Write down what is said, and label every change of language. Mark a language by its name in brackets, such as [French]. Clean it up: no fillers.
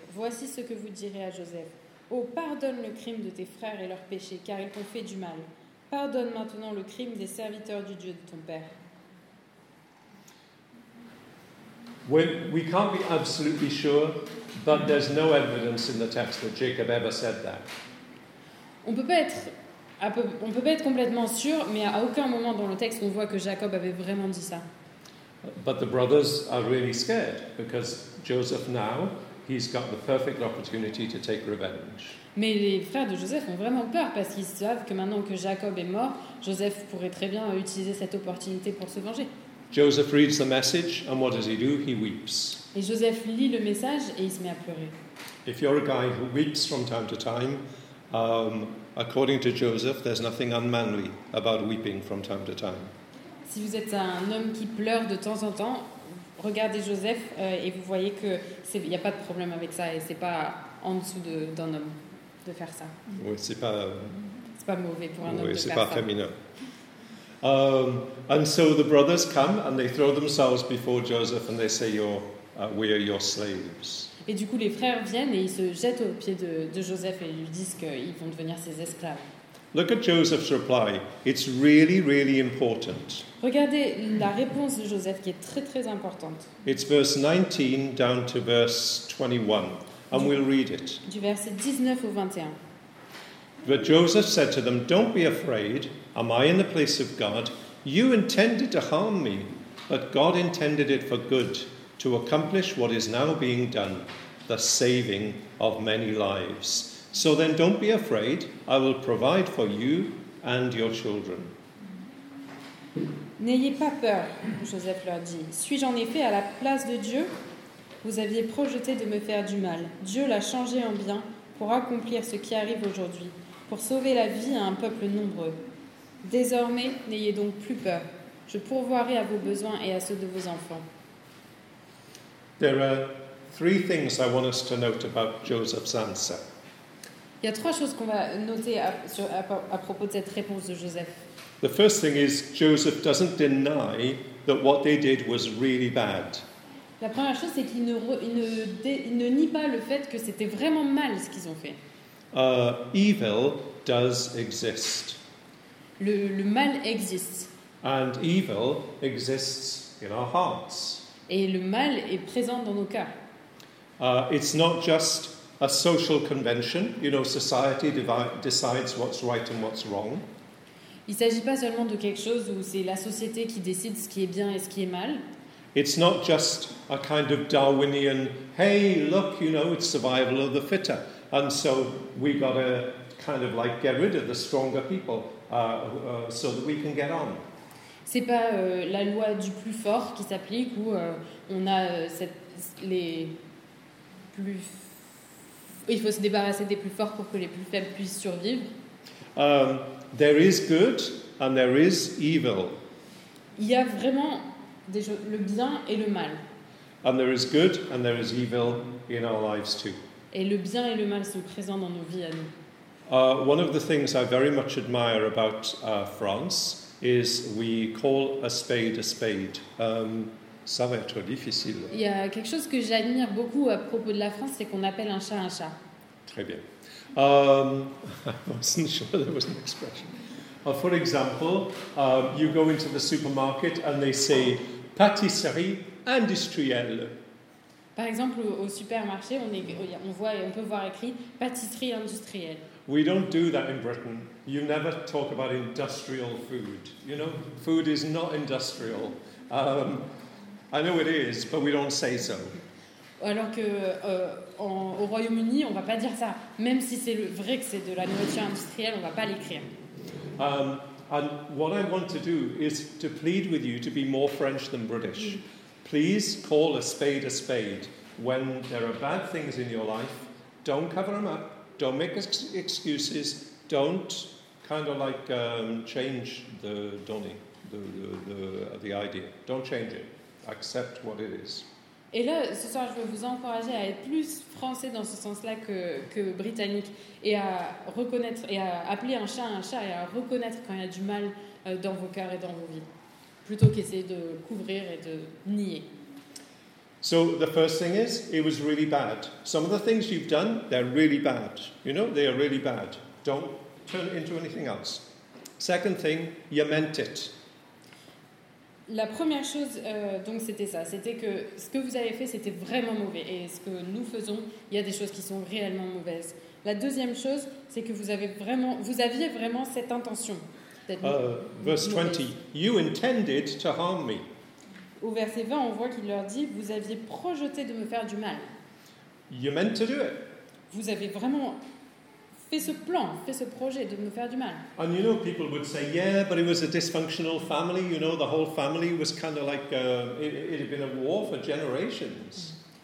[French] Voici ce que vous direz à Joseph. Oh, pardonne le crime de tes frères et leurs péchés, car ils t'ont fait du mal. Pardonne maintenant le crime des serviteurs du Dieu de ton père. [English] We can't be absolutely sure, but there's no evidence in the text that Jacob ever said that. [French] On peut pas être complètement sûr, mais à aucun moment dans le texte on voit que Jacob avait vraiment dit ça. [English] But the brothers are really scared because Joseph now he's got the perfect opportunity to take revenge. [French] Mais les frères de Joseph ont vraiment peur parce qu'ils savent que maintenant que Jacob est mort, Joseph pourrait très bien utiliser cette opportunité pour se venger. [English] Joseph reads the message and what does he do? He weeps. [French] Et Joseph lit le message et il se met à pleurer. [English] If you're a guy who weeps from time to time, according to Joseph, there's nothing unmanly about weeping from time to time. [French] Si vous êtes un homme qui pleure de temps en temps, regardez Joseph et vous voyez que il n'y a pas de problème avec ça et c'est pas en dessous d'un homme de faire ça. Oui, c'est pas mauvais pour un homme oui, de faire ça. Oui, c'est pas féminin. [English] And so the brothers come and they throw themselves before Joseph and they say, "We are your slaves." [French] Et du coup, les frères viennent et ils se jettent aux pieds de Joseph et lui disent qu'ils vont devenir ses esclaves. [English] Look at Joseph's reply. It's really, really important. [French] Regardez la réponse de Joseph qui est très, très importante. [English] It's verse 19 down to verse 21. And we'll read it. [French] Du verset 19 au 21. [English] But Joseph said to them, "Don't be afraid. Am I in the place of God? You intended to harm me, but God intended it for good, to accomplish what is now being done, the saving of many lives. So then don't be afraid, I will provide for you and your children." [French] N'ayez pas peur, Joseph leur dit. Suis-je en effet à la place de Dieu? Vous aviez projeté de me faire du mal. Dieu l'a changé en bien pour accomplir ce qui arrive aujourd'hui, pour sauver la vie à un peuple nombreux. Désormais, n'ayez donc plus peur. Je pourvoirai à vos besoins et à ceux de vos enfants. [English] There are three things I want us to note about Joseph's answer. [French] Il y a trois choses qu'on va noter à propos de cette réponse de Joseph. [English] The first thing is Joseph doesn't deny that what they did was really bad. [French] La première chose c'est qu'il ne nie pas le fait que c'était vraiment mal ce qu'ils ont fait. [English] Evil does exist. [French] Le mal existe. [English] And evil exists in our hearts. [French] Et le mal est présent dans nos cœurs. [English] It's not just a social convention. You know, society decides what's right and what's wrong. [French] Il ne s'agit pas seulement de quelque chose où c'est la société qui décide ce qui est bien et ce qui est mal. [English] It's not just a kind of Darwinian, hey, look, you know, it's survival of the fitter. And so we got to kind of like get rid of the stronger people so that we can get on. [French] C'est pas la loi du plus fort qui s'applique où on a les plus. Il faut se débarrasser des plus forts pour que les plus faibles puissent survivre. [English] There is good and there is evil. [French] Il y a vraiment le bien et le mal. [English] And there is good and there is evil in our lives too. [French] Et le bien et le mal sont présents dans nos vies à nous. [English] One of the things I very much admire about France. Is we call a spade a spade. [French] Ça va être difficile. Il y a quelque chose que j'admire beaucoup à propos de la France, c'est qu'on appelle un chat un chat. Très bien. [English] I wasn't sure there was an expression. For example, you go into the supermarket and they say [French] pâtisserie industrielle. Par exemple, au supermarché, on peut voir écrit pâtisserie industrielle. [English] We don't do that in Britain. You never talk about industrial food. You know, food is not industrial. I know it is, but we don't say so. [French] Alors que au Royaume-Uni, on va pas dire ça. Même si c'est vrai que c'est de la nourriture industrielle, on va pas l'écrire. [English] And what I want to do is to plead with you to be more French than British. Please call a spade when there are bad things in your life. Don't cover them up. Don't make excuses. Don't kind of like change the donny, the idea. Don't change it. Accept what it is. [French] Et là, ce soir, je veux vous encourager à être plus français dans ce sens-là que britannique et à reconnaître et à appeler un chat et à reconnaître quand il y a du mal dans vos cœurs et dans vos vies, plutôt qu'essayer de couvrir et de nier. [English] So the first thing is, it was really bad. Some of the things you've done, they're really bad. You know, they are really bad. Don't turn it into anything else. Second thing, you meant it. [French] La première chose, donc, c'était ça. C'était que ce que vous avez fait, c'était vraiment mauvais. Et ce que nous faisons, il y a des choses qui sont réellement mauvaises. La deuxième chose, c'est que vous aviez vraiment cette intention d'être [English] verse 20, you intended to harm me. [French] Au verset 20, on voit qu'il leur dit « Vous aviez projeté de me faire du mal. » [English] You meant to do it. [French] Vous avez vraiment fait ce plan, fait ce projet de me faire du mal. [English] And you know, people would say, yeah, but it was a dysfunctional family. You know, the whole family was kind of like, it had been a war for generations.